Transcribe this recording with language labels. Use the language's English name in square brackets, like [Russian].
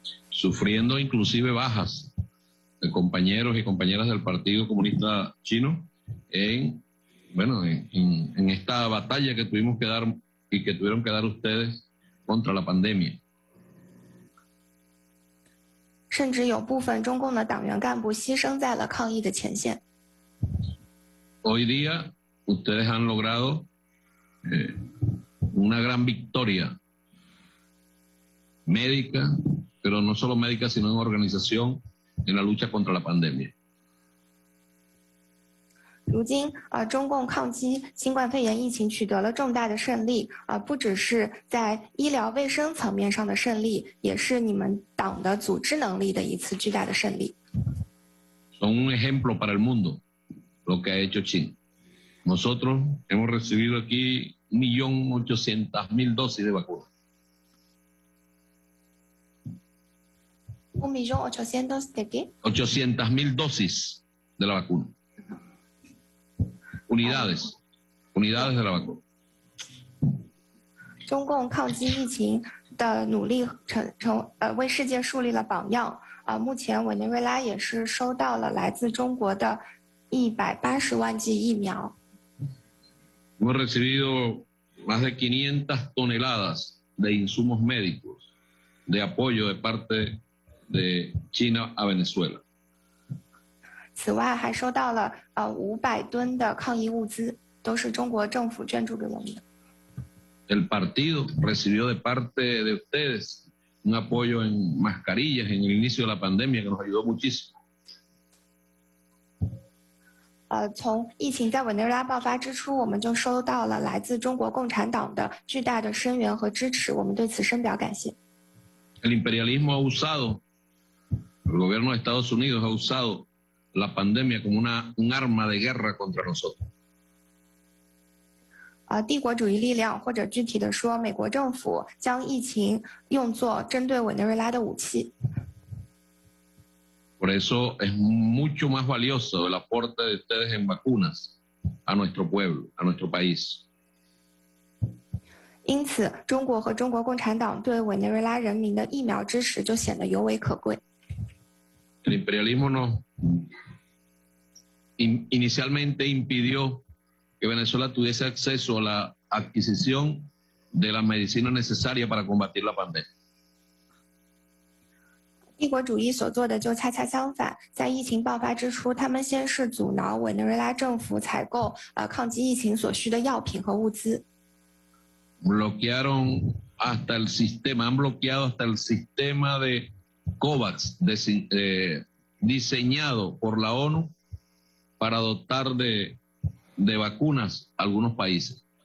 [Spanish] Sufriendo inclusive bajas de compañeros y compañeras del Partido Comunista Chino en esta batalla que tuvimos que dar y que tuvieron que dar ustedes contra la pandemia. [Chinese] 甚至有部分中共的党员干部牺牲在了抗疫的前线。 [Spanish] Hoy día ustedes han logrado una gran victoria médica, pero no solo médica, sino en organización en la lucha contra la pandemia. [Chinese] 如今，中共抗击新冠肺炎疫情取得了重大的胜利，不只是在医疗卫生层面上的胜利，也是你们党的组织能力的一次巨大的胜利。 [Spanish] Son un ejemplo para el mundo lo que ha hecho China. Nosotros hemos recibido aquí 1.800.000 dosis de vacunas. 1.800.000 de qué? 800.000 dosis de la vacuna. Unidades, unidades de la vacuna. [Chinese] 中共抗击疫情的努力为世界树立了榜样。目前委内瑞拉也是收到了来自中国的180万剂疫苗。 [Spanish] Hemos recibido más de 500 toneladas de insumos médicos de apoyo de parte de China a Venezuela. [Chinese] 此外，还收到了500吨的抗疫物资，都是中国政府捐助给我们的。 [Spanish] El partido recibió de parte de ustedes un apoyo en mascarillas en el inicio de la pandemia que nos ayudó muchísimo. [Chinese] 从疫情在委内瑞拉爆发之初，我们就收到了来自中国共产党的巨大的声援和支持，我们对此深表感谢。 [Spanish] El imperialismo ha usado, el gobierno de Estados Unidos ha usado la pandemia como un arma de guerra contra nosotros. [Chinese] 帝国主义力量，或者具体的说，美国政府将疫情用作针对委内瑞拉的武器。 [Spanish] Por eso es mucho más valioso el aporte de ustedes en vacunas a nuestro pueblo, a nuestro país. [Chinese] 因此，中国和中国共产党对委内瑞拉人民的疫苗支持就显得尤为可贵。 [Spanish] El imperialismo no inicialmente impidió. que Venezuela tuviese acceso a la adquisición de la medicina necesaria para combatir la pandemia. [Chinese] 帝国主义所做的就恰恰相反，在疫情爆发之初，他们先是阻挠委内瑞拉政府采购抗击疫情所需的药品和物资。 [Spanish] Bloquearon hasta el sistema, han bloqueado hasta el sistema de COVAX diseñado por la ONU para dotar de vacunas a algunos países.